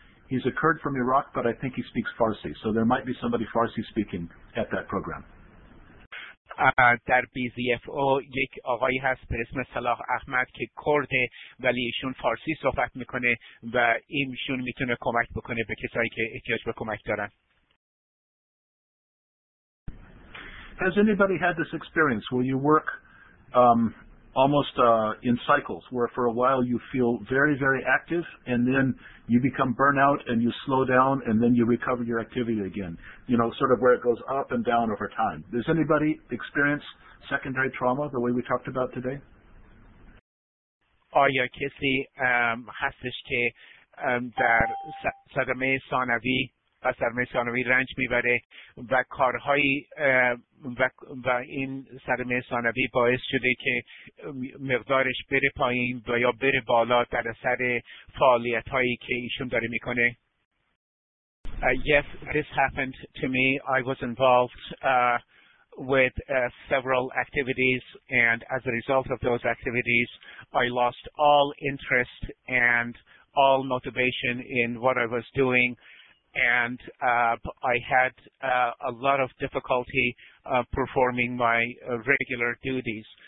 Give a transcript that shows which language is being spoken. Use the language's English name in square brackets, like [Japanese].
[English] He's a Kurd from Iraq, but I think he speaks Farsi. So there might be somebody Farsi-speaking at that program. [Persian] در BZFO, یک آقایی هست به اسم صلاح احمد که کرده ولی ایشون فارسی صحبت میکنه و ایشون میتونه کمک بکنه به کسایی که احتیاج به کمک دارن. [English] Has anybody had this experience where you work almost in cycles, where for a while you feel very, very active, and then you become burnout, and you slow down, and then you recover your activity again. You know, sort of where it goes up and down over time. Does anybody experience secondary trauma the way we talked about today? [Persian] آیا کسی هستش که در صدمه ثانوی و صدمه ثانوی رنج میبره و کارهای و این صدمه ثانوی باعث شده که مقدارش بره پایین و یا بره بالا در اثر فعالیت هایی که ایشون داره میکنه؟ [English] Yes, this happened to me. I was involved with several activities, and as a result of those activities, I lost all interest and all motivation in what I was doing, and I had a lot of difficulty performing my regular duties.